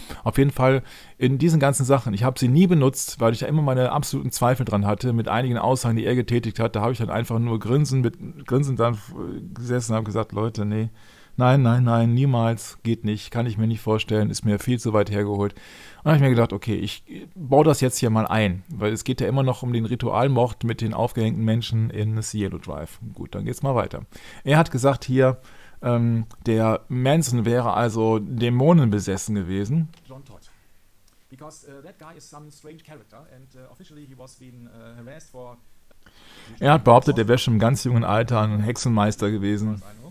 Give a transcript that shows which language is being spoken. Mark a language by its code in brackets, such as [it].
[de] Auf jeden Fall in diesen ganzen Sachen. Ich habe sie nie benutzt, weil ich da immer meine absoluten Zweifel dran hatte, mit einigen Aussagen, die er getätigt hat. Da habe ich dann einfach nur grinsend dann gesessen und habe gesagt, Leute, nee, nein, nein, nein, niemals, geht nicht, kann ich mir nicht vorstellen, ist mir viel zu weit hergeholt. Und dann habe ich mir gedacht, okay, ich baue das jetzt hier mal ein, weil es geht ja immer noch um den Ritualmord mit den aufgehängten Menschen in Cielo Drive. Gut, dann geht's mal weiter. Er hat gesagt hier, der Manson wäre also dämonenbesessen gewesen. John Todd. [en] Because that guy is some strange character and officially he was being harassed for... [de] Er hat behauptet, er wäre schon im ganz jungen Alter ein Hexenmeister gewesen.